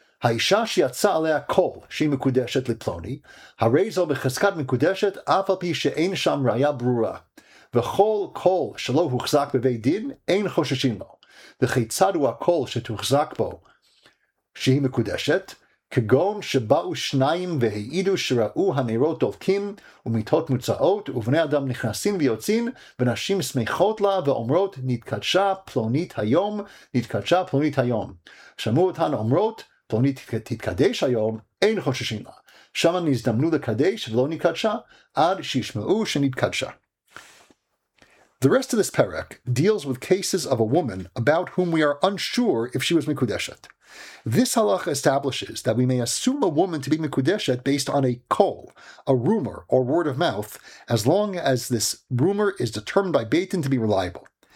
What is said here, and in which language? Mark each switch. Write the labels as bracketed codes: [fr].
[he] Ha'isha she'atza aleha kol, she mekudeshet liploni, ha'rezo b'cheskat mekudeshet, af al pi she'ein sham raya brura, v'chol kol shelo huchzak b'vei din, ein choshishin lo, v'cheitzadu ha'kol she'tuchzak bo, she mekudeshet, כגון שבאו שניים והעידו שראו הנרות דולקים ומיטות מוצאות ובני אדם נכנסים ויוצאים ונשים שמחות לה ואומרות נתקדשה פלונית היום, נתקדשה פלונית היום. שמעו אותן אומרות פלונית תתקדש היום, אין חוששים לה. שמה נזדמנו לקדש ולא נתקדשה עד שישמעו שנתקדשה. [en] The rest of this perek deals with cases of a woman about whom we are unsure if she was mekudeshet. This halacha establishes that we may assume a woman to be mekudeshet based on a kol, a rumor or word of mouth, as long as this rumor is determined by Beit Din to be reliable.